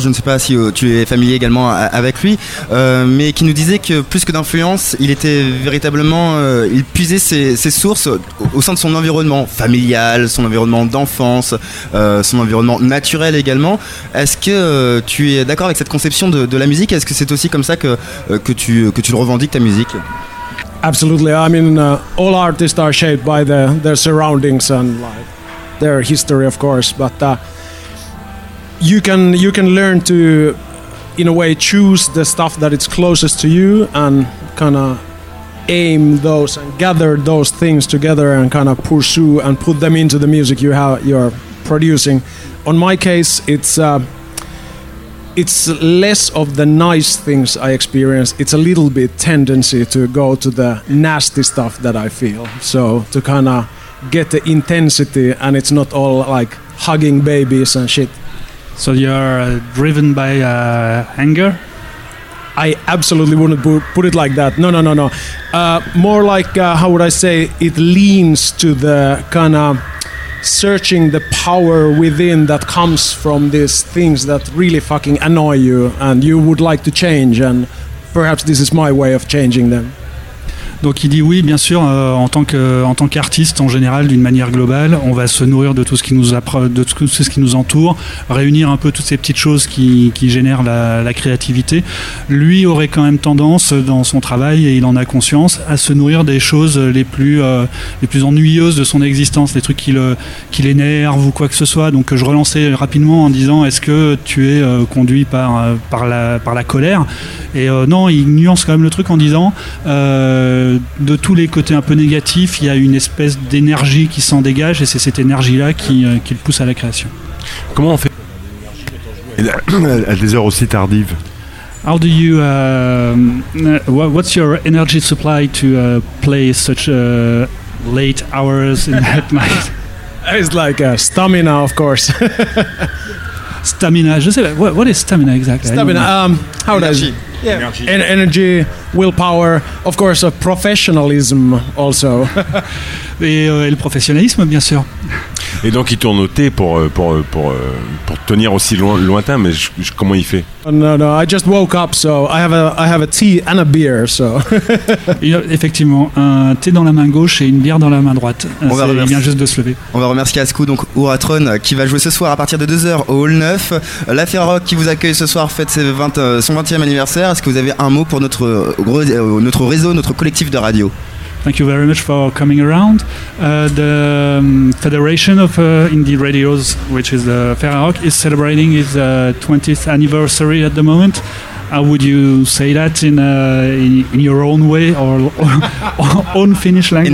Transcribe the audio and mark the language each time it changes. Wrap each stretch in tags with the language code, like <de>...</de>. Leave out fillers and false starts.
<fr>Je ne sais pas si tu es familier également avec lui, mais qui nous disait que plus que d'influence, il était véritablement il puisait ses sources au sein de son environnement familial, son environnement d'enfance, son environnement naturel également. Est-ce que tu es d'accord avec cette conception de la musique? Est-ce que c'est aussi comme ça que tu le revendiques, ta musique?</fr> <en>Absolutely. I mean, all artists are shaped by their surroundings and like their history, of course, but you can learn to, in a way, choose the stuff that is closest to you and kind of aim those and gather those things together and kind of pursue and put them into the music you're producing. On my case, it's it's less of the nice things I experience. It's a little bit tendency to go to the nasty stuff that I feel. So to kind of get the intensity, and it's not all like hugging babies and shit. So you're driven by anger? I absolutely wouldn't put it like that. No. More like, how would I say, it leans to the kind of searching the power within that comes from these things that really fucking annoy you and you would like to change, and perhaps this is my way of changing them.</en> <fr>Donc il dit oui, bien sûr, en tant qu'artiste, en général, d'une manière globale, on va se nourrir de tout ce qui nous entoure, réunir un peu toutes ces petites choses qui génèrent la créativité. Lui aurait quand même tendance, dans son travail, et il en a conscience, à se nourrir des choses les plus ennuyeuses de son existence, les trucs qui l'énervent ou quoi que ce soit. Donc je relançais rapidement en disant, est-ce que tu es conduit par la colère ? Et non, il nuance quand même le truc en disant... De tous les côtés un peu négatifs, il y a une espèce d'énergie qui s'en dégage, et c'est cette énergie-là qui le pousse à la création. Comment on fait à des heures aussi tardives?</fr> <en>How do you what's your energy supply to play such late hours in at night? It's like a stamina, of course. Stamina, je sais pas. What is stamina exactly? Stamina, how does it? Yeah. Energy, willpower, of course, professionalism also.</en> <fr>et le professionnalisme, bien sûr. Et donc, il tourne au thé pour tenir aussi lointain, mais comment il fait?</fr> <en>No, I just woke up, so I have a tea and a beer, so.</en> <fr>Effectivement, un thé dans la main gauche et une bière dans la main droite. Il vient juste de se lever. On va remercier Ascou, donc Ouratron, qui va jouer ce soir à partir de 2h au Hall 9. La Ferrarock qui vous accueille ce soir fête son 20e anniversaire. Est-ce que vous avez un mot pour notre réseau, notre collectif de radio?</fr> <en>Thank you very much for coming around. The Federation of Indie Radios, which is the Ferrarock, is celebrating its 20th anniversary at the moment. How would you say that in your own way or own Finnish language?</en>